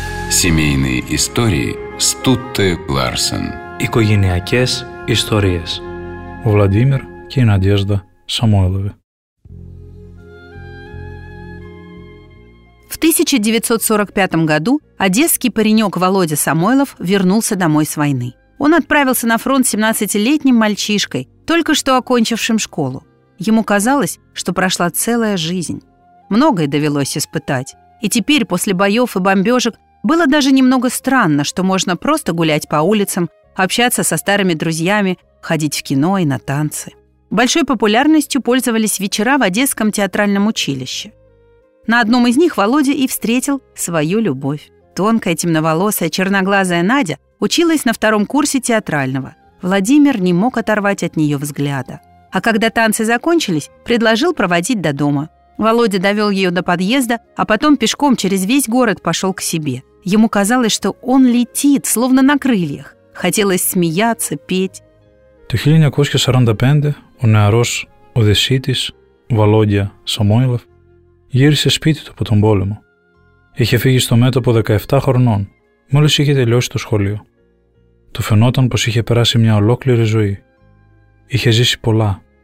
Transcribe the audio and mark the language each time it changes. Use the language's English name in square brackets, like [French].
[Russian] Семейные истории Стутте Ларсен. [Greek] Οικογενειακές ιστορίες. Ο Βλαντίμιρ και η Надежда Самойлова. [Russian] В 1945 году одесский паренек Володя Самойлов вернулся домой с войны. Он отправился на фронт 17-летним мальчишкой, только что окончившим школу. Ему казалось, что прошла целая жизнь. Многое довелось испытать. И теперь, после боев и бомбежек, было даже немного странно, что можно просто гулять по улицам, общаться со старыми друзьями, ходить в кино и на танцы. Большой популярностью пользовались вечера в Одесском театральном училище. На одном из них Володя и встретил свою любовь. Тонкая, темноволосая, черноглазая Надя училась на втором курсе театрального. Владимир не мог оторвать от нее взгляда. А когда танцы закончились, предложил проводить до дома. Володя довел ее до подъезда, а потом пешком через весь город пошел к себе. Ему казалось, что он летит, словно на крыльях. Хотелось смеяться, петь. [Greek] Το 1945 ο νεαρός Οδεσίτης Βαλόντια Σαμόιλοφ γύρισε σπίτι του από τον πόλεμο. Είχε φύγει στο μέτωπο 17 χρονών, μόλις είχε τελειώσει το σχολείο. Του φαινόταν πως είχε περάσει μια ολόκληρη ζωή. Είχε ζήσει πολλά.